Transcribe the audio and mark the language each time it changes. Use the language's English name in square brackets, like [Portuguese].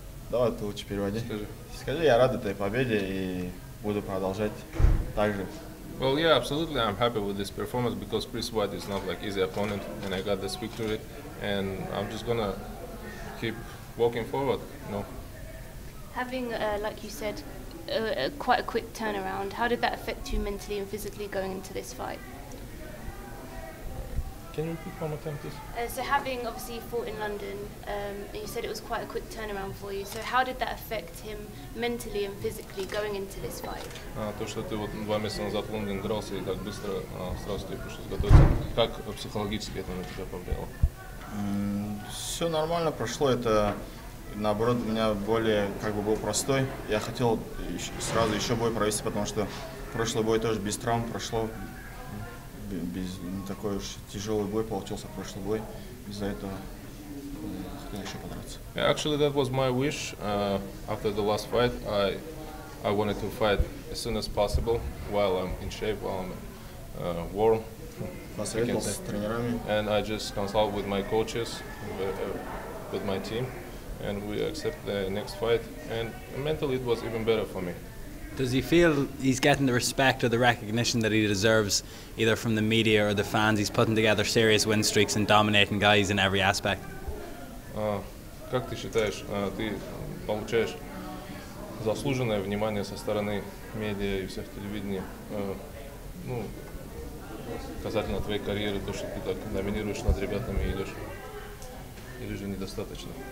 [Russian] Давай, ты лучше переводи. Скажи, я рад этой победе и буду продолжать также. [English] Well, yeah, absolutely. I'm happy with this performance because Chris White is not like easy opponent, and I got this victory, and I'm just gonna keep walking forward. You know? Having, like you said, quite a quick turnaround. How did that affect you mentally and physically going into this fight? Can you repeat one more time, please? So having obviously fought in London, you said it was quite a quick turnaround for you. So how did that affect him mentally and physically going into this fight? [Russian] То, что ты вот два месяца назад в Лондоне дрался и так быстро сразу тебе пришлось готовиться. Как психологически это на тебя повлияло? Все нормально прошло. Это наоборот у меня более как бы был простой. Я хотел сразу еще бой провести, потому что прошлый бой тоже без травм прошло. Без не такой уж тяжелый бой получился прошлый бой, из-за этого хотел еще подраться. [English] Actually, that was my wish after the last fight. I wanted to fight as soon as possible while I'm in shape, while I'm warm. [Russian] Посоветовался с тренерами. [English] And I just consulted with my coaches, with my team, and we accept the next fight. And mentally, it was even better for me. Does he feel he's getting the respect or the recognition that he deserves, either from the media or the fans? He's putting together serious win streaks and dominating guys in every aspect. [Russian] Как ты считаешь, ты получаешь заслуженное внимание со стороны медиа и всех телевидения? Ну, касательно твоей карьеры, то, что ты так доминируешь над ребятами, идешь, или же недостаточно?